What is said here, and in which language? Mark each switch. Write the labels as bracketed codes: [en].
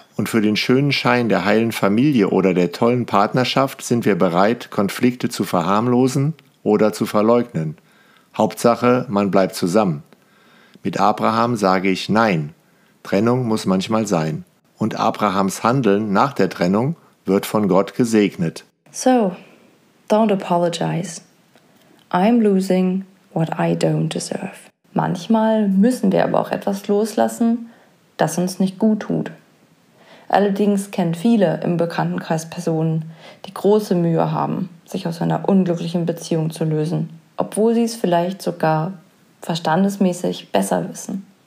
[de] Und für den schönen Schein der heilen Familie oder der tollen Partnerschaft sind wir bereit, Konflikte zu verharmlosen oder zu verleugnen. Hauptsache, man bleibt zusammen. Mit Abraham sage ich Nein. Trennung muss manchmal sein. Und Abrahams Handeln nach der Trennung wird von Gott gesegnet. [en] So, don't apologize. I'm losing what I don't deserve. [de] Manchmal müssen wir aber auch etwas loslassen, das uns nicht gut tut. Allerdings kennen viele im Bekanntenkreis Personen, die große Mühe haben, sich aus einer unglücklichen Beziehung zu lösen, obwohl sie es vielleicht sogar verstandesmäßig besser wissen.